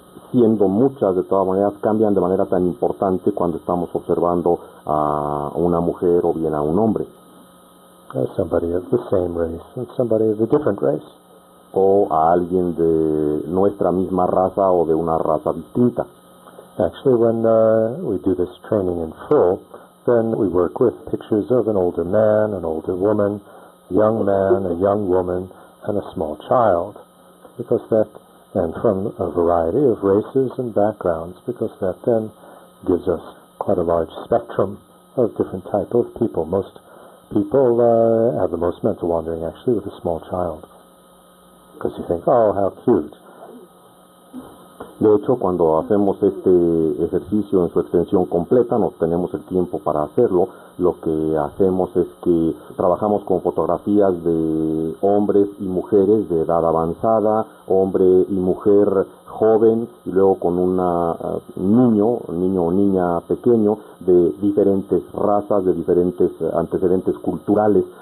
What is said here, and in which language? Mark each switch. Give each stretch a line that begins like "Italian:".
Spanish: siendo muchas de todas maneras, cambian de manera tan importante cuando estamos observando a una mujer o bien a un hombre.
English: Somebody of the same race and somebody of a different race.
Spanish: O a alguien de nuestra misma raza o de una raza distinta.
English: Actually, when we do this training in full, then we work with pictures of an older man, an older woman, a young man, a young woman, and a small child, because that, and from a variety of races and backgrounds, because that then gives us quite a large spectrum of different type of people. Most people have the most mental wandering, actually, with a small child, because you think, oh, how cute.
Spanish: De hecho, cuando hacemos este ejercicio en su extensión completa, nos tenemos el tiempo para hacerlo, lo que hacemos es que trabajamos con fotografías de hombres y mujeres de edad avanzada, hombre y mujer joven, y luego con un niño o niña pequeño de diferentes razas, de diferentes antecedentes culturales,